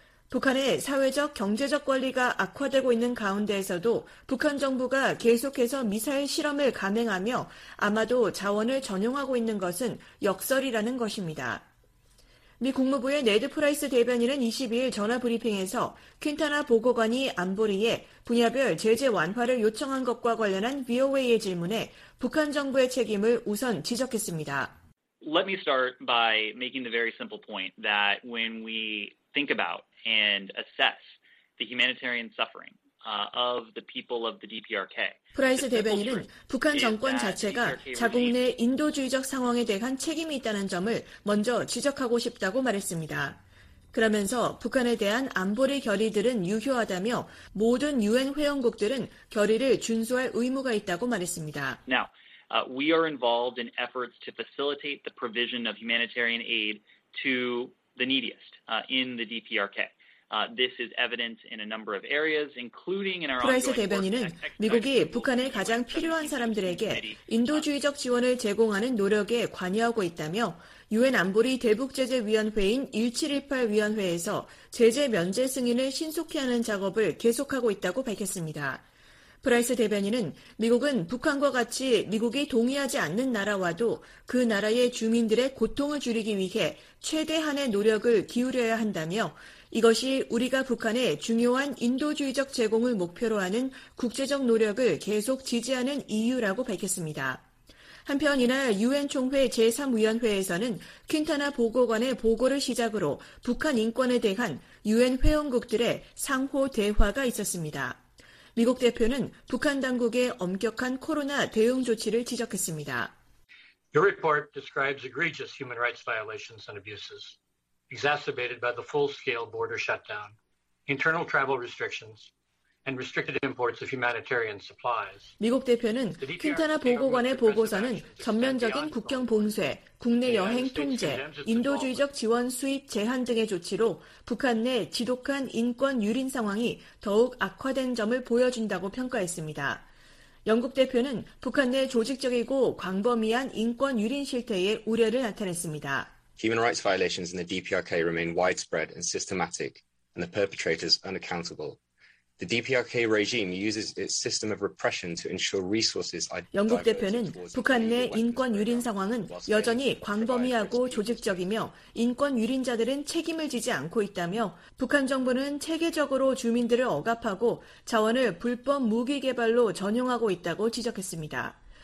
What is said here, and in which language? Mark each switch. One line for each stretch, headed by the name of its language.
Korean: 북한의 사회적 경제적 권리가 악화되고 있는 가운데에서도 북한 정부가 계속해서 미사일 실험을 감행하며 아마도 자원을 전용하고 있는 것은 역설이라는 것입니다. 미 국무부의 네드 프라이스 대변인은 22일 전화 브리핑에서 퀸타나 보고관이 안보리에 분야별 제재 완화를 요청한 것과 관련한 VOA의 질문에 북한 정부의 책임을 우선 지적했습니다.
English: Let me start by making the very simple point that when we think about and assess the humanitarian suffering of the people of the DPRK.
Korean: 프라이스 대변인은 북한 정권 자체가 자국 내 인도주의적 상황에 대한 책임이 있다는 점을 먼저 지적하고 싶다고 말했습니다. 그러면서 북한에 대한 안보리 결의들은 유효하다며 모든 유엔 회원국들은 결의를 준수할 의무가 있다고 말했습니다.
English: Now, we are involved in efforts to facilitate the provision of humanitarian aid to the neediest in the DPRK. This is evident in a number of areas, including in our ongoing work.
Korean: 프라이스 대변인은 미국이 북한에 가장 필요한 사람들에게 인도주의적 지원을 제공하는 노력에 관여하고 있다며 유엔 안보리 대북 제재 위원회인 1718 위원회에서 제재 면제 승인을 신속히 하는 작업을 계속하고 있다고 밝혔습니다. 프라이스 대변인은 미국은 북한과 같이 미국이 동의하지 않는 나라와도 그 나라의 주민들의 고통을 줄이기 위해 최대한의 노력을 기울여야 한다며 이것이 우리가 북한의 중요한 인도주의적 제공을 목표로 하는 국제적 노력을 계속 지지하는 이유라고 밝혔습니다. 한편 이날 유엔 총회 제3위원회에서는 퀸타나 보고관의 보고를 시작으로 북한 인권에 대한 유엔 회원국들의 상호 대화가 있었습니다. 미국 대표는 북한 당국의 엄격한 코로나 대응 조치를 지적했습니다.
English: Your report describes egregious human rights violations and abuses exacerbated by the full-scale border shutdown, internal travel restrictions, and restricted imports of humanitarian supplies.
Korean: 미국 대표는 퀸타나 보고관의 보고서는 전면적인 국경 봉쇄, 국내 여행 통제, 인도주의적 지원 수입 제한 등의 조치로 북한 내 지독한 인권 유린 상황이 더욱 악화된 점을 보여준다고 평가했습니다. 영국 대표는 북한 내 조직적이고 광범위한 인권 유린 실태에 우려를 나타냈습니다.
English: Human rights violations in the DPRK remain widespread and systematic, and the perpetrators unaccountable. The DPRK regime uses its system of repression to ensure resources are diverted.
Korean: 영국 대표는 북한 내 인권 유린 상황은 여전히 광범위하고 조직적이며 인권 유린자들은 책임을 지지 않고 있다며 북한 정부는 체계적으로 주민들을 억압하고 자원을 불법 무기 개발로 전용하고 있다고 지적했습니다.